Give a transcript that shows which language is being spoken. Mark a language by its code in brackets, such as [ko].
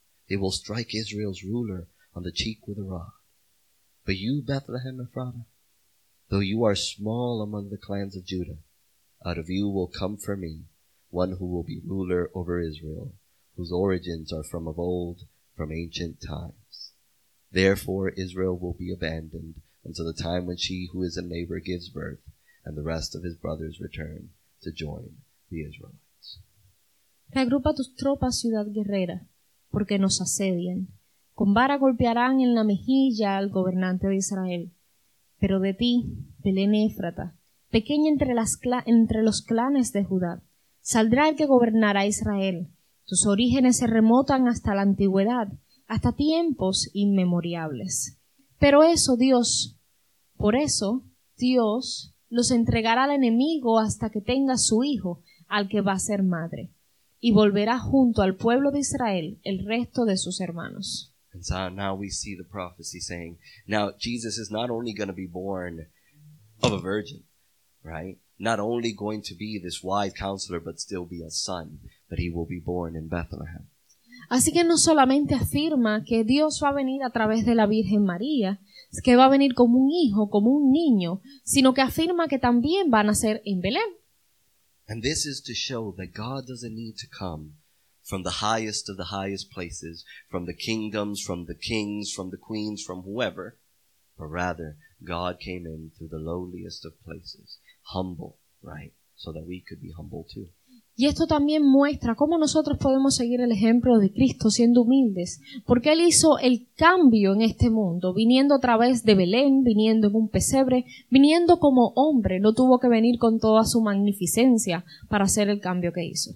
[en] They will strike Israel's ruler on the cheek with a rod. But you, Bethlehem Ephrathah, though you are small among the clans of Judah, out of you will come for me one who will be ruler over Israel, whose origins are from of old, from ancient times. Therefore, Israel will be abandoned until the time when she who is a neighbor gives birth and the rest of his brothers return to join the Israelites. [es] Reagrupa tus tropas, ciudad guerrera, porque nos asedian. Con vara golpearán en la mejilla al gobernante de Israel. Pero de ti, Belén Éfrata, pequeña entre los clanes de Judá, saldrá el que gobernará Israel. Tus orígenes se remontan hasta la antigüedad, hasta tiempos inmemoriales. Pero eso, Dios, por eso, Dios los entregará al enemigo hasta que tenga su hijo, al que va a ser madre, y volverá junto al pueblo de Israel el resto de sus hermanos. [en] And so now we see the prophecy saying, now Jesus is not only going to be born of a virgin, right? Not only going to be this wise counselor, but still be a son, but he will be born in Bethlehem. [es] Así que no solamente afirma que Dios va a venir a través de la Virgen María, que va a venir como un hijo, como un niño, sino que afirma que también va a nacer en Belén. [en] And this is to show that God doesn't need to come from the highest of the highest places, from the kingdoms, from the kings, from the queens, from whoever, but rather God came in through the lowliest of places, humble, right, so that we could be humble too. [es] Y esto también muestra cómo nosotros podemos seguir el ejemplo de Cristo siendo humildes, porque Él hizo el cambio en este mundo, viniendo a través de Belén, viniendo en un pesebre, viniendo como hombre, no tuvo que venir con toda su magnificencia para hacer el cambio que hizo.